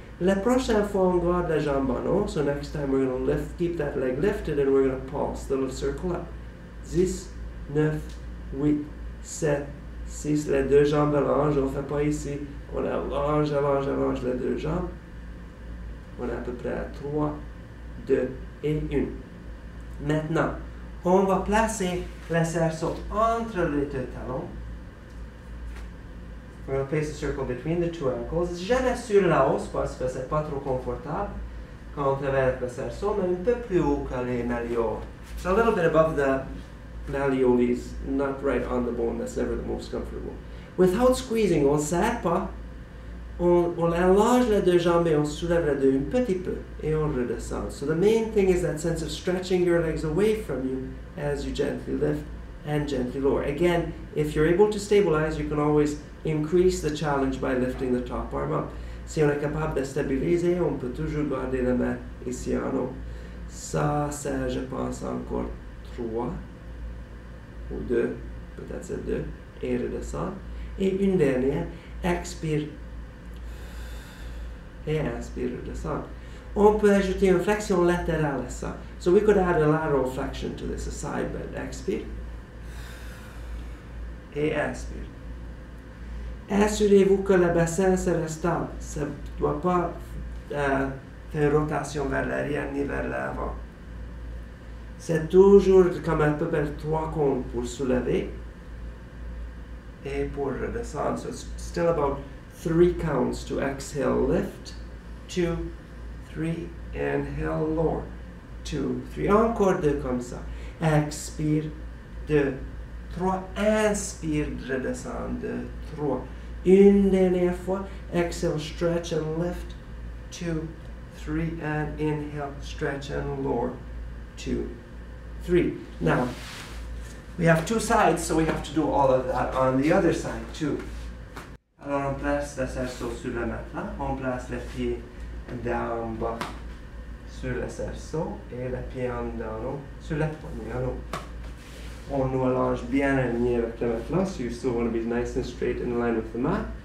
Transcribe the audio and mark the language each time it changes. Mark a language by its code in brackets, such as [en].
[fr] La prochaine fois, on garde la jambe en haut. [en] So next time, we're going to lift, keep that leg lifted and we're going to pulse the little circle up. [fr] 10, 9, 8, 7, 6, les deux jambes allongent. On ne fait pas ici. On allonge, allonge, allonge les deux jambes. On est à peu près à 3, 2 et 1. Maintenant, on va placer le cerceau entre les deux talons. [en] We're going to place the circle between the two ankles. [fr] Jamais sur la hausse parce que c'est pas trop confortable quand on traverse le cerceau, mais un peu plus haut que les malléoles. [en] It's a little bit above the malléoles, not right on the bone. That's never the most comfortable. Without squeezing, [fr] on serre pas. On allonge les deux jambes et on soulève les deux un petit peu et on redescend. [en] So the main thing is that sense of stretching your legs away from you as you gently lift and gently lower. Again, if you're able to stabilize, you can always increase the challenge by lifting the top arm up. [fr] Si on est capable de stabiliser, on peut toujours garder la main ici en haut. Ça, c'est, je pense, encore 3 ou 2, peut-être c'est 2, et redescend. Et une dernière, expire et inspire, redescend. On peut ajouter une flexion latérale à ça. [en] So we could add a lateral flexion to this, a side bend. [fr] Expire et inspire. Assurez-vous que le bassin sera stable. Ça ne doit pas faire rotation vers l'arrière ni vers l'avant. C'est toujours comme à peu près 3 comptes pour soulever et pour redescendre. [en] So it's still about 3 counts to exhale, lift, 2, 3, inhale, lower, 2, 3. [fr] Encore 2 comme ça. Expire, 2, 3. Inspire, redescend, 2, 3. Une dernière fois, [en] exhale, stretch and lift, 2, 3, and inhale, stretch and lower, 2, 3. Now, we have 2 sides, so we have to do all of that on the other side, too. [fr] Alors, on place le cerceau sur le matelas, on place les pieds down bas sur le cerceau, et les pieds en down haut sur la poignée en haut. On nous allonge bien aligné avec le matelas. [en] You still want to be nice and straight in line with the mat.